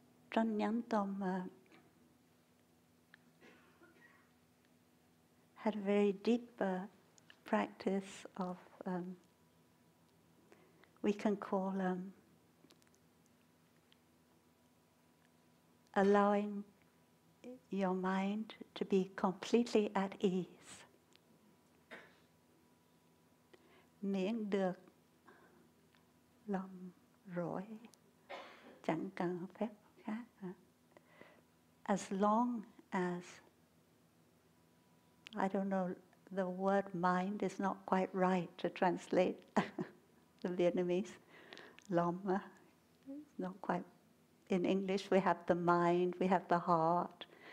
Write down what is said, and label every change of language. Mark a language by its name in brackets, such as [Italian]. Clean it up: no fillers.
[English] Tran Nhan Thong had a very deep practice of, we can call allowing your mind to be completely at ease. [Vietnamese] Miễn được lòng rỗi, chẳng cần phép. [English] As long as, I don't know, the word mind is not quite right to translate the Vietnamese. Lòng, it's not quite. In English we have the mind, we have the heart.